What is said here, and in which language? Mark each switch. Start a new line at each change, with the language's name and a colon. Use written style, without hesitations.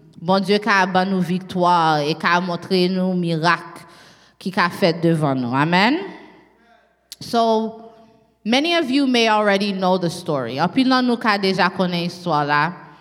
Haitian Creole: Bon Dieu qui a ban nous victoire et qui a montré nous miracle qui a fait devant nous. Amen.
English: So many of you may already know the story.
Haitian Creole: En plus là nous qui a déjà connu l'histoire là.